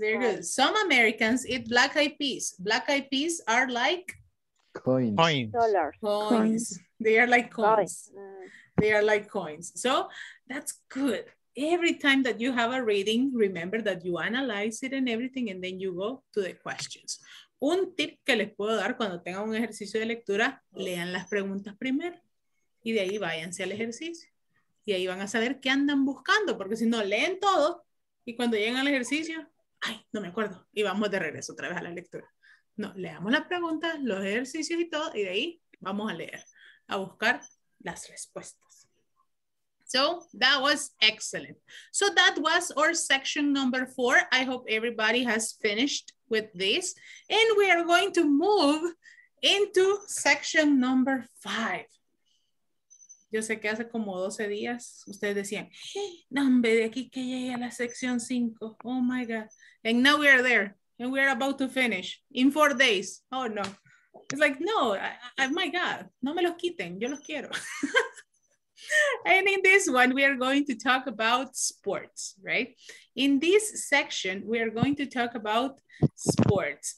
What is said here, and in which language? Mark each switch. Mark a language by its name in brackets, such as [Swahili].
[English] Very good. Some Americans eat black eyed peas. Black eyed peas are like coins. Coins. They are like coins. They are like coins. So that's good. Every time that you have a reading, remember that you analyze it and everything, and then you go to the questions. [Spanish] Un tip que les puedo dar cuando tengan un ejercicio de lectura, lean las preguntas primero y de ahí váyanse al ejercicio. Y ahí van a saber qué andan buscando, porque si no, leen todo y cuando lleguen al ejercicio, ¡ay, no me acuerdo! Y vamos de regreso otra vez a la lectura. No, leamos las preguntas, los ejercicios y todo, y de ahí vamos a leer, a buscar las respuestas. [English] So, that was excellent. So, that was our section number 4. I hope everybody has finished with this. And we are going to move into section number 5. [Spanish] Yo sé que hace como 12 días ustedes decían, nombre de aquí que llegué a la sección 5. [English] Oh my God. And now we are there. And we are about to finish in 4 days. Oh no. It's like, no, my God. [Spanish] No me los quiten. Yo los quiero. [English] And in this one, we are going to talk about sports, right? In this section, we are going to talk about sports.